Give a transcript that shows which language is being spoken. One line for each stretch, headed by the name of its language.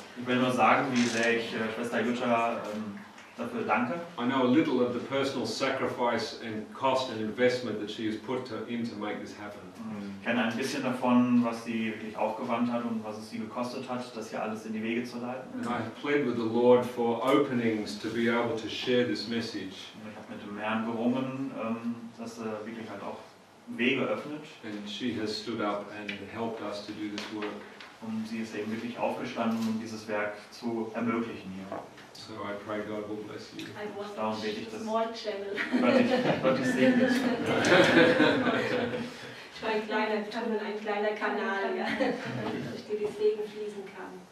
German: Ich will nur sagen, wie sehr ich Schwester Jutta dafür danke.
English: I know a little of the personal sacrifice and cost and investment that she has put in to make this happen.
German: Ich kenne ein bisschen davon, was sie wirklich aufgewandt hat und was es sie gekostet hat, das hier alles in die Wege zu leiten.
English: And I have pleaded with the Lord for openings to be able to share this message.
German: Und ich habe mit dem Herrn gerungen, dass er wirklich halt auch Wege öffnet.
English: And she has stood up and helped us to do this work.
German: Und sie ist eben wirklich aufgestanden, um dieses Werk zu ermöglichen hier.
English: So I pray God will bless you. I want a small channel.
German: Gott ist segnet. Ich war ein kleiner Kanal, ja, durch den das Segen fließen kann.